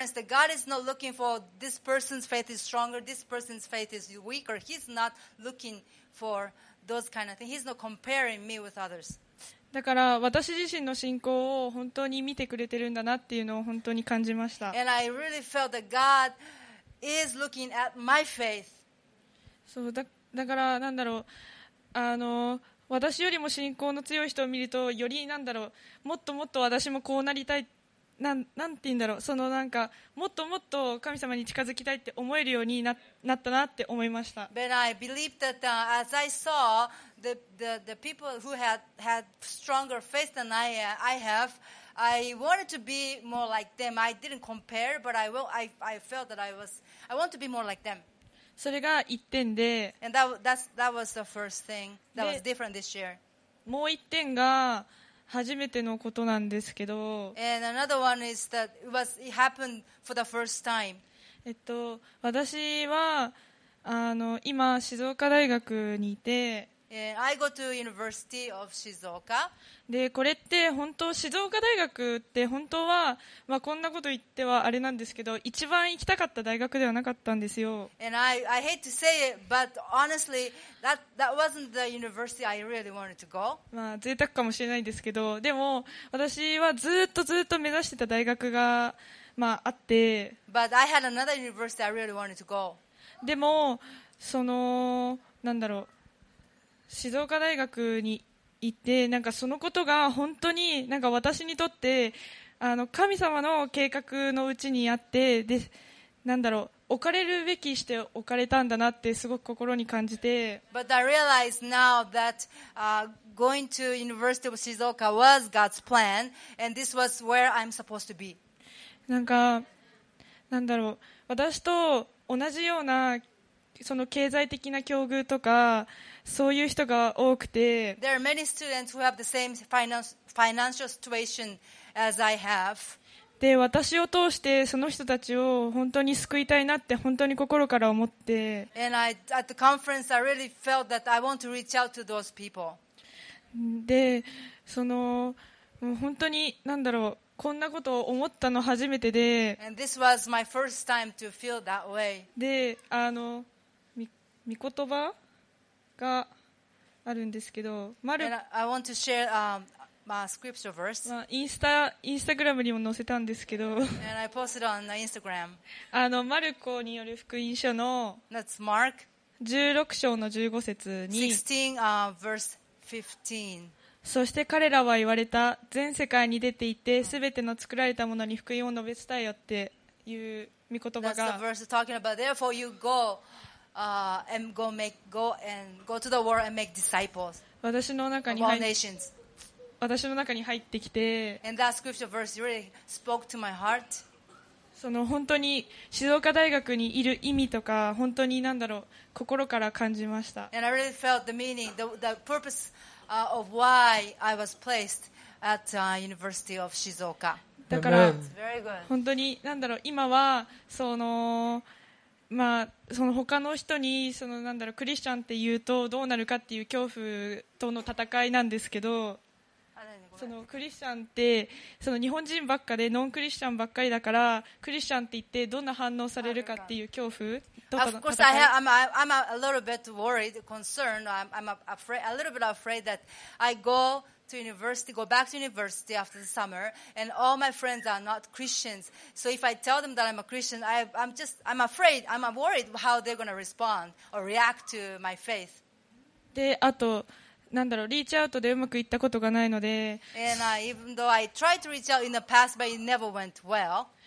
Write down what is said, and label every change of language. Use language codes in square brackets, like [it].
[en] And so God is not looking for this person's faith is stronger, this person's faith is weaker. He's not looking for those kind of things. He's not comparing me with others. [ja] だから私自身の信仰を本当に見てくれてるんだなっていうのを本当に感じました。 [en] And I really felt that God is looking at my faith. [ja] そう、だからなんだろう、私よりも信仰の強い人を見るとよりなんだろう、もっともっと私もこうなりたい、なんていうんだろう、そのなんかもっともっと神様に近づきたいって思えるようになったなって思いました。 [en] But I believe that as I saw the people who had stronger faith than I have, I wanted to be more like them. I didn't compare, but I felt that I want to be more like them. [ja] それが一点で。 [en] And that was the first thing that was different this year. [ja] もう一点が。初めてのことなんですけど、私は今静岡大学にいて、 [en] I go to University of Shizuoka. [ja] でこれって本当静岡大学って本当は、まあ、こんなこと言ってはあれなんですけど一番行きたかった大学ではなかったんですよ。 [en] And I hate to say it, but honestly that wasn't the university I really wanted to go. [ja] まあ贅沢かもしれないですけど、でも私はずっとずっと目指してた大学が、まあ、あって、 [en] But I had another university I really wanted to go. [ja] でもそのなんだろう、静岡大学に行って、なんかそのことが本当になんか私にとって神様の計画のうちにあって、でなんだろう、置かれるべきして置かれたんだなってすごく心に感じて。 [en] But I realize now that going to University of Shizuoka was God's plan and this was where I'm supposed to be. [ja] なんかなんだろう、私と同じようなその経済的な境遇とかそういう人が多くて、 [en] There are many students who have the same financial situation as I have. [ja] で私を通してその人たちを本当に救いたいなって本当に心から思って、 [en] And I, at the conference I really felt that I want to reach out to those people. [ja] でそのもう本当に何だろう、こんなことを思ったの初めてで、 [en] And this was my first time to feel that way. [ja] で御言葉があるんですけど、 [en] I want to share my scripture verse. [ja] まあ、インスタグラムにも載せたんですけど、 [en] And I posted on the Instagram. [ja] マルコによる福音書の [en] That's Mark. [ja] 16章の15節に、 [en] 16:15. [ja] そして彼らは言われた、全世界に出て行って、すべての作られたものに福音を述べ伝えよっていう御言葉が、 [en] That's the verse talking about. Therefore you go. Go to the world and make disciples. [ja] 私の中に入ってきて、 [en] and that scripture verse really spoke to my heart. [ja] その本当に静岡大学にいる意味とか本当に何だろう、心から感じました。 [en] And I really felt the meaning, the purpose of why I was placed at University of Shizuoka. [ja] だから本当に何だろう、今はそのまあ、その他の人にそのなんだろう、クリスチャンって言うとどうなるかっていう恐怖との戦いなんですけど、そのクリスチャンってその日本人ばっかでノンクリスチャンばっかりだから、クリスチャンって言ってどんな反応されるかっていう恐怖との戦い。 [en] Of course, I'm a little bit worried, concerned. I'm afraid, a little bit afraid that I go to university, go back to university after the summer, and all my friends are not Christians. So if I tell them that I'm a Christian, I'm worried how they're going to respond or react to my faith. [ja] で、あと、なんだろう、リーチアウトでうまくいったことがないので。 [en] And even though I tried to reach out in the past, but it never went well.